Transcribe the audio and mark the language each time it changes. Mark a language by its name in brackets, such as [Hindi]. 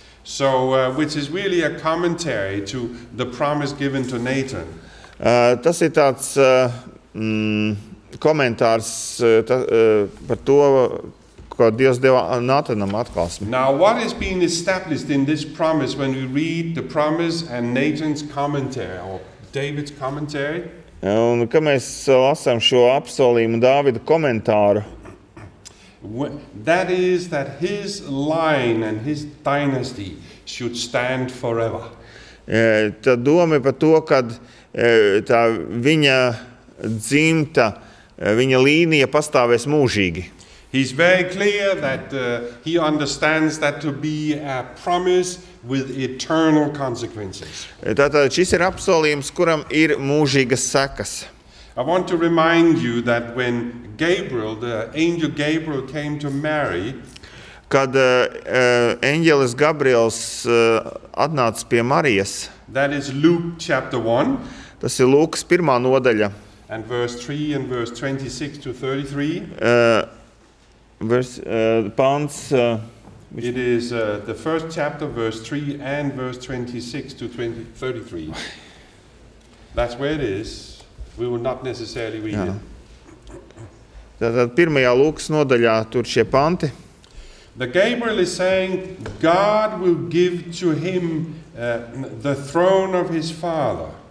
[English] So, which is really a commentary to the promise given to Nathan. [Latvian] Tas ir tāds, komentārs par to, ko Dievs deva Nātanam atklāsmi. [English] Now, what is being established in this promise when we read the promise and Nathan's commentary, or David's commentary? [Latvian] Un, kad mēs lasām šo apsolījumu Dāvida komentāru? [English] That is that his line and his dynasty should stand forever. [Latvian] Tā doma par to, kad tā viņa dzimta viņa līnija pastāvēs mūžīgi. [English] He's very clear that he understands that to be a promise with eternal consequences. [Latvian] Tātad šis ir apsolījums, kuram ir mūžīgas sekas. [English] I want to remind you that when Gabriel, the angel Gabriel came to Mary, [Latvian] kad eņģelis Gabriels atnāca pie Marijas. [English] That is Luke chapter 1. [Latvian] Tas ir Lūkas pirmā nodaļa. [English] And verse 3 and verse 26 to 33. It is the first chapter, verse 3 and verse 26 to 33. That's where it is. We will not necessarily read it. [Latvian] Tātad pirmajā Lūkas nodaļā tur šie panti. [English] The Gabriel is saying God will give to him the throne of his father.